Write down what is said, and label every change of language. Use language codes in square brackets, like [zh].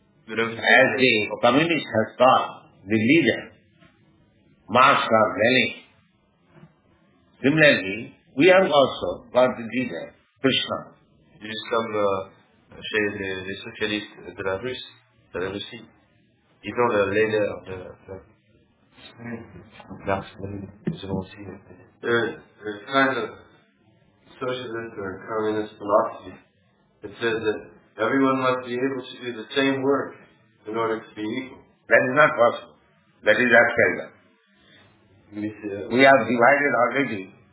[en] As the communist has got the leader, Marx or Lenin. Similarly, we have also got the leader, Krishna. [fr] Chez les socialistes de la Russie, ils ont leur leader de la Russie. Ils ont aussi. [en] There's a kind of socialist or communist philosophy that says that everyone must be able to do the same work in order to be equal. That is not possible. That is absurd. We have divided already